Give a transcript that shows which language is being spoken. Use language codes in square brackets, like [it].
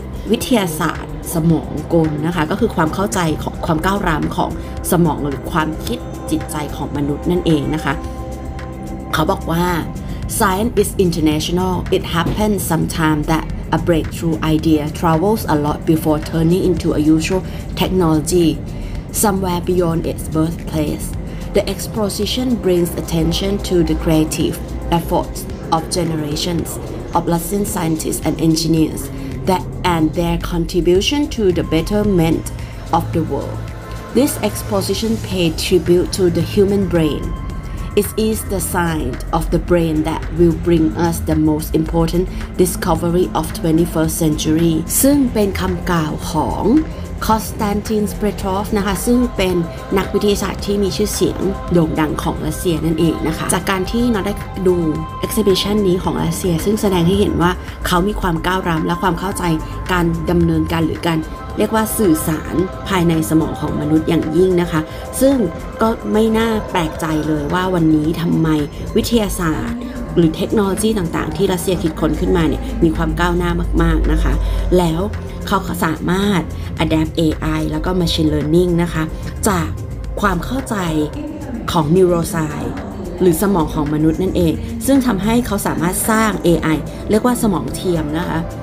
[th] วิทยาศาสตร์สมองกลนะคะก็คือความเข้าใจของความก้าวล้ำของสมองหรือความคิดจิตใจของมนุษย์นั่นเองนะคะเขาบอกว่า [en] science is international it happens sometimes thatA breakthrough idea travels a lot before turning into a usual technology, somewhere beyond its birthplace. The exposition brings attention to the creative efforts of generations of Russian scientists and engineers that, and their contribution to the betterment of the world. This exposition paid tribute to the human brain. It is the science of the brain that will bring us the most important discovery of 21st century. [th] ซึ่งเป็นคำกล่าวของคอสตันตินสเปรทอฟนะคะซึ่งเป็นนักวิทยาศาสตร์ที่มีชื่อเสียงโด่งดังของรัสเซียนั่นเองนะคะจากการที่เราได้ดูเอ็กซิบิชันนี้ของรัสเซียซึ่งแสดงให้เห็นว่าเขามีความก้าวล้ำและความเข้าใจ การดำเนินการหรือการเรียกว่าสื่อสารภายในสมองของมนุษย์อย่างยิ่งนะคะซึ่งก็ไม่น่าแปลกใจเลยว่าวันนี้ทำไมวิทยาศาสตร์หรือเทคโนโลยีต่างๆที่รัสเซียคิดค้นขึ้นมาเนี่ยมีความก้าวหน้ามากๆนะคะแล้วเขาสามารถ adapt AI แล้วก็ machine learning นะคะจากความเข้าใจของ neuroscienceหรือสมองของมนุษย์นั่นเองซึ่งทำให้เขาสามารถสร้าง AI เรียกว่าสมองเทียมนะคะ